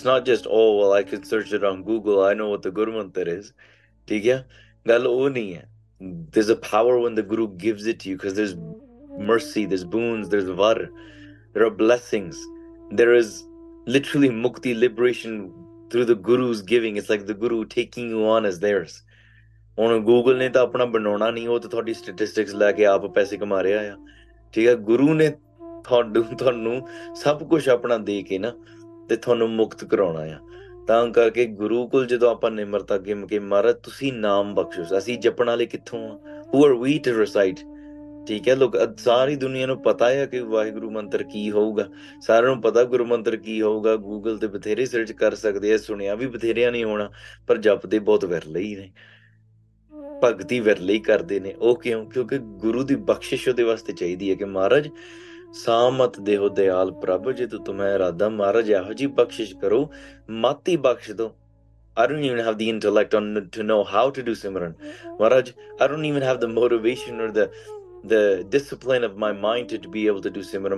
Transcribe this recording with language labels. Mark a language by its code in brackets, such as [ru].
[en] It's not just oh well I can search it on Google, I know what the gurmantar is. [pa] ਠੀਕ ਹੈ, ਗੱਲ ਉਹ ਨਹੀਂ ਹੈ। [en] There is a power one the guru gives it you, because there is mercy, there is boons, there is var, there are blessings, there is literally mukti, liberation through the guru's giving. It's like the guru taking you on as theirs. [pa] ਹੁਣ Google ਨੇ ਤਾਂ ਆਪਣਾ ਬਣਾਉਣਾ ਨਹੀਂ, ਉਹ ਤਾਂ ਤੁਹਾਡੀ ਸਟੈਟਿਸਟਿਕਸ ਲੈ ਕੇ ਆਪ ਪੈਸੇ ਕਮਾ ਰਿਹਾ ਆ। ਠੀਕ ਹੈ, ਗੁਰੂ ਨੇ ਤੁਹਾਨੂੰ ਸਭ ਕੁਛ ਆਪਣਾ ਦੇ ਕੇ ਨਾ, ਤੇ ਤੁਹਾਨੂੰ ਮੁਕਤ ਕਰਾਉਣਾ ਆ। ਤਾਂ ਕਰਕੇ ਗੁਰੂ ਕੋਲ ਜਦੋਂ ਆਪਾਂ ਨਿਮਰਤਾ ਗਿਮ ਕੇ, ਮਹਾਰਾਜ ਤੁਸੀਂ ਨਾਮ ਬਖਸ਼ੋ, ਅਸੀਂ ਜਪਣ ਵਾਲੇ ਕਿੱਥੋਂ ਆ? [en] Who are we to recite? [pa] ਠੀਕ ਹੈ, ਲੋਕ ਸਾਰੀ ਦੁਨੀਆਂ ਨੂੰ ਪਤਾ ਹੈ ਕਿ ਵਾਹਿਗੁਰੂ ਮੰਤਰ ਕੀ ਹੋਊਗਾ, ਸਾਰਿਆਂ ਨੂੰ ਪਤਾ ਗੁਰੂ ਮੰਤਰ ਕੀ ਹੋਊਗਾ, ਗੂਗਲ ਤੇ ਬਥੇਰੇ ਸਰਚ ਕਰ ਸਕਦੇ ਆ, ਸੁਣਿਆ ਵੀ ਬਥੇਰਿਆਂ ਨੇ ਹੋਣਾ, ਪਰ ਜਪਦੇ ਬਹੁਤ ਵਿਰਲੇ ਹੀ ਨੇ, ਭਗਤੀ ਵਿਰਲੇ ਹੀ ਕਰਦੇ ਨੇ। ਉਹ ਕਿਉਂ? ਕਿਉਂਕਿ ਗੁਰੂ ਦੀ ਬਖਸ਼ਿਸ਼ ਉਹਦੇ ਵਾਸਤੇ ਚਾਹੀਦੀ ਹੈ ਕਿ ਮਹਾਰਾਜ ਸਾਮਤ ਦੇਹੋ ਦਿਆਲ ਪ੍ਰਭ, ਜੇ ਤੂੰ ਤੁਮੈ ਇਰਾਦਾ ਮਹਾਰਾਜ ਇਹੋ ਜਿਹੀ ਬਖਸ਼ਿਸ਼ ਕਰੋ, ਮਾਤੀ ਬਖਸ਼ ਦੋ। [en] I don't even have the intellect on to know how to do Simran. Maharaj, I don't even have the motivation or the discipline of my mind to be able to do Simran.